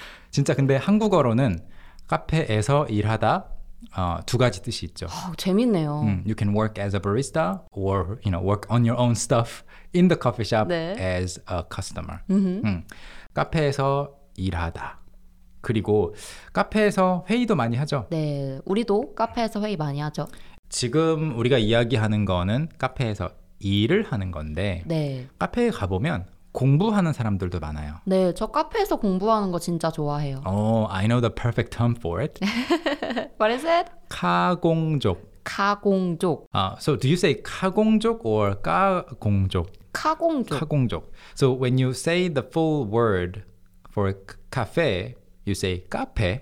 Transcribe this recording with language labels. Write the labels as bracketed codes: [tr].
[ko] 진짜 근데 한국어로는 카페에서 일하다 두 가지 뜻이 있죠. 재밌네요. [en] You can work as a barista or you know work on your own stuff in the coffee shop [ko] 네. [en] as a customer. Mm-hmm. [ko] 카페에서 일하다. 그리고 카페에서 회의도 많이 하죠. 네, 우리도 카페에서 회의 많이 하죠. 지금 우리가 이야기하는 거는 카페에서 일을 하는 건데 네. 카페에 가보면 공부하는 사람들도 많아요. 네, 저 카페에서 공부하는 거 진짜 좋아해요. [en] Oh, I know the perfect term for it. What is it? [ko] 카공족. 카공족. [en] So do you say 카공족 or 까공족? [ko] 카공족. 카공족. [en] So when you say the full word for cafe, you say 카페.